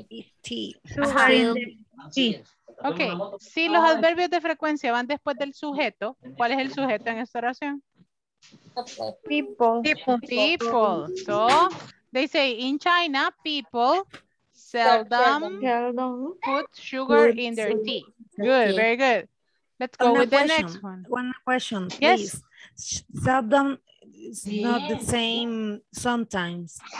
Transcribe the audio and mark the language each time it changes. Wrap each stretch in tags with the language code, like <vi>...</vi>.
<en>In China, seldom people put sugar in their tea. Okay.</en> <es>Si los adverbios de frecuencia van después del sujeto, ¿cuál es el sujeto en esta oración?</es> <en>People. So they say in China, people seldom put sugar in their tea. Good, very good. Let's go with the next one. One question, please. Yes. Seldom is not the same sometimes.</en>